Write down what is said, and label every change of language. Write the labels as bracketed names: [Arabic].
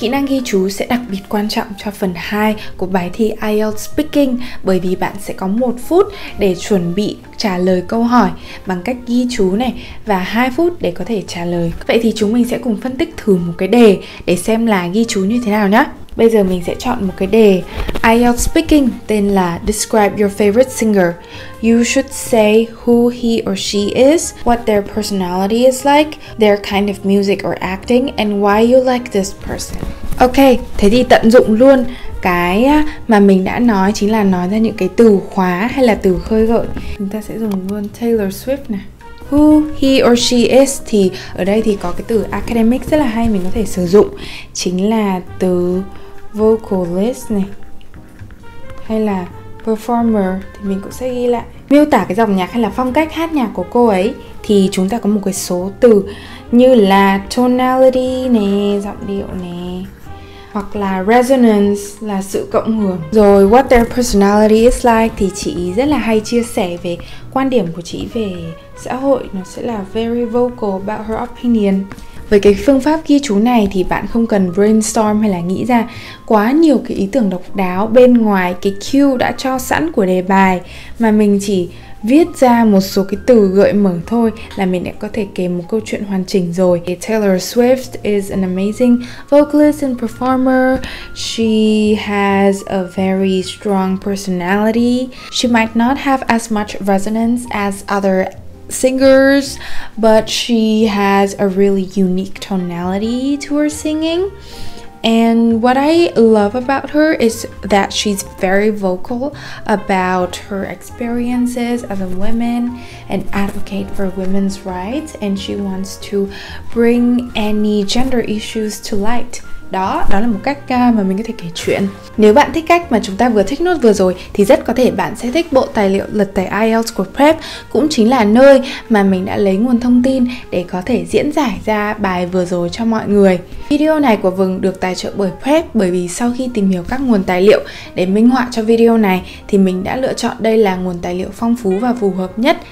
[Vietnamese] Kỹ năng ghi chú sẽ đặc biệt quan trọng cho phần 2 của bài thi IELTS Speaking, bởi vì bạn sẽ có 1 phút để chuẩn bị trả lời câu hỏi bằng cách ghi chú này và 2 phút để có thể trả lời. Vậy thì chúng mình sẽ cùng phân tích thử một cái đề để xem là ghi chú như thế nào nhá. Bây giờ mình sẽ chọn một cái đề IELTS Speaking tên là [English] Describe your favorite singer. You should say who he or she is, what their personality is like, their kind of music or acting, and why you like this person. [Vietnamese] Ok, thế thì tận dụng luôn cái mà mình đã nói, chính là nói ra những cái từ khóa hay là từ khơi gợi. Chúng ta sẽ dùng luôn Taylor Swift nè. [English] Who he or she is [Vietnamese] thì ở đây thì có cái từ academic rất là hay mình có thể sử dụng, chính là từ vocalist này, hay là performer thì mình cũng sẽ ghi lại. Miêu tả cái dòng nhạc hay là phong cách hát nhạc của cô ấy thì chúng ta có một cái số từ như là tonality này, giọng điệu này, hoặc là resonance là sự cộng hưởng. Rồi [English] what their personality is like [Vietnamese] thì chị rất là hay chia sẻ về quan điểm của chị về xã hội, nó sẽ là [English] very vocal about her opinion. [Vietnamese] Với cái phương pháp ghi chú này thì bạn không cần brainstorm hay là nghĩ ra quá nhiều cái ý tưởng độc đáo bên ngoài cái cue đã cho sẵn của đề bài, mà mình chỉ viết ra một số cái từ gợi mở thôi là mình đã có thể kể một câu chuyện hoàn chỉnh rồi. [English] Taylor Swift is an amazing vocalist and performer. She has a very strong personality. She might not have as much resonance as other singers, but she has a really unique tonality to her singing. And what I love about her is that she's very vocal about her experiences as a woman and advocate for women's rights, and she wants to bring any gender issues to light. [Vietnamese] Đó, đó là một cách mà mình có thể kể chuyện. Nếu bạn thích cách mà chúng ta vừa take note vừa rồi thì rất có thể bạn sẽ thích bộ tài liệu lật tẩy IELTS của Prep, cũng chính là nơi mà mình đã lấy nguồn thông tin để có thể diễn giải ra bài vừa rồi cho mọi người. Video này của Vừng được tài trợ bởi Prep, bởi vì sau khi tìm hiểu các nguồn tài liệu để minh họa cho video này thì mình đã lựa chọn đây là nguồn tài liệu phong phú và phù hợp nhất.